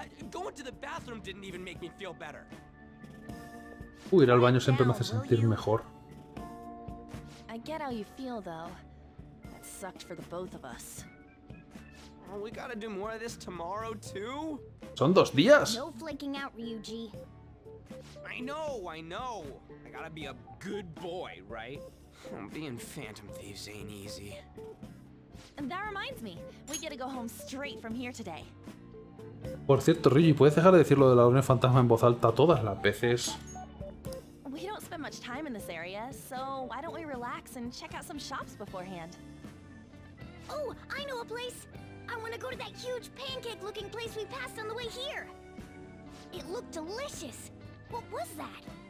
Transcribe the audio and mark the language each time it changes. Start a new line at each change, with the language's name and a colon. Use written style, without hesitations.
English: Going to the bathroom didn't even make me feel better.
Spanish: Ir al baño siempre me hace sentir mejor.
English: I get how you feel though. That sucked for the both of us. Oh, we gotta do more of this tomorrow too?
Spanish: Son dos días.
English: No flaking out, Ryuji. I know. I gotta be a good boy, right? Being Phantom Thieves ain't easy. That reminds me, we gotta go home straight from here today.
Spanish: Por cierto, Ryuji, ¿puedes dejar de decir lo de la Orden Fantasma en voz alta todas las veces?
English: We don't spend much time in this area, so why don't we relax and check out some shops beforehand? Oh, I know a place. I want to go to that huge pancake-looking place we passed on the way here. It looked delicious. What was that?